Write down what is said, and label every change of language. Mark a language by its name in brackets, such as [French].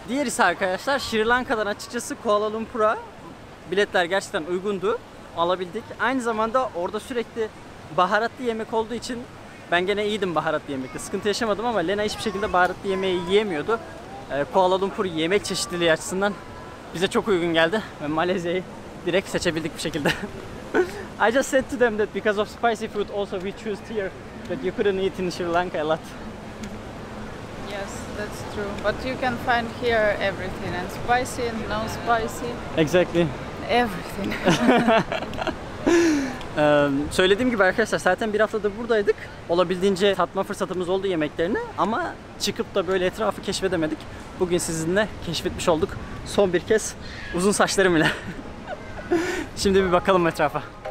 [Turkish] Diğer ise arkadaşlar, Sri Lanka'dan açıkçası Kuala Lumpur'a biletler gerçekten uygundu, alabildik. Aynı zamanda orada sürekli baharatlı yemek olduğu için ben gene iyiydim baharatlı yemekte, sıkıntı yaşamadım ama Lena hiçbir şekilde baharatlı yemeği yiyemiyordu. Kuala Lumpur yemek çeşitliliği açısından bize çok uygun geldi ve Malezya'yı direkt seçebildik bir şekilde. [English] I just said to them that because of spicy food also we choose here that you couldn't eat in Sri Lanka a lot. Yes, that's true. But you can find here everything and spicy and non spicy. Exactly. Everything. [Turkish] Söylediğim gibi arkadaşlar zaten bir haftadır buradaydık. Olabildiğince tatma fırsatımız oldu yemeklerini ama çıkıp da böyle etrafı keşfedemedik. Bugün sizinle keşfetmiş olduk. Son bir kez uzun saçlarım ile. Şimdi bir bakalım etrafa.